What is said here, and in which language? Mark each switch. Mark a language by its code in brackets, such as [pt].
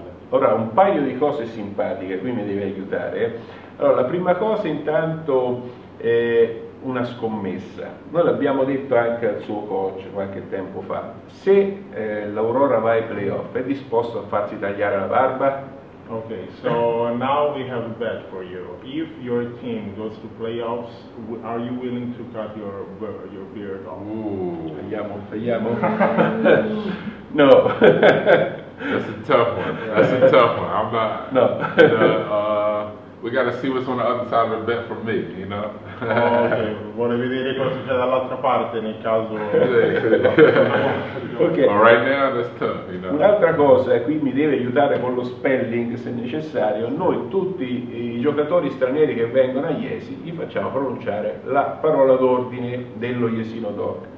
[it] Ora un paio di cose simpatiche, qui mi devi aiutare. Allora, la prima cosa intanto è una scommessa. Noi l'abbiamo detto anche al suo coach qualche tempo fa. Se l'Aurora va ai playoff, è disposto a farsi tagliare la barba? [en] Okay, so now we have a bet for you. If your team goes to playoffs, are you willing to cut your beard off? Ooh. [it] Tagliamo. No. [en] That's a tough one. That's a tough one. I'm not. No. We gotta see what's on the other side of the bet for me, you know? [it] Okay, vuole vedere cosa c'è dall'altra parte nel caso. Okay. [en] But right now that's tough, you know. [it] Un'altra cosa, qui mi deve aiutare con lo spelling se necessario. Noi tutti i giocatori stranieri che vengono a Iesi gli facciamo pronunciare la parola d'ordine dello Iesino Doc.